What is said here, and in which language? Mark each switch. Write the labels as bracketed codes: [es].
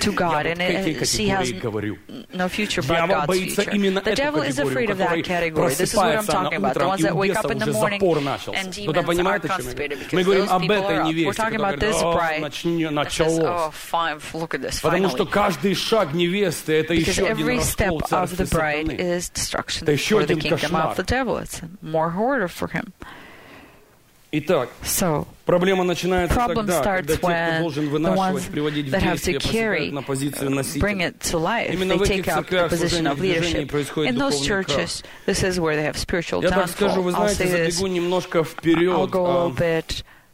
[ru] Я вот к этой категории говорю. Дьявол боится именно эту категорию, [en] that category. This is what I'm talking about. The ones that wake up in the morning and demons are constipated because those people are up. We're talking about this bride that says, oh, fine, look at this, finally. Because every step of the bride is destruction for the kingdom of the devil. It's more horror for him. [ru] Итак, so, проблема начинается тогда, когда те, кто должен вынашивать, приводить в действие, посыпают на позицию носителя. Именно в этих церквях служения в движении происходит духовный крах. Я так скажу, вы знаете, забегу немножко вперед.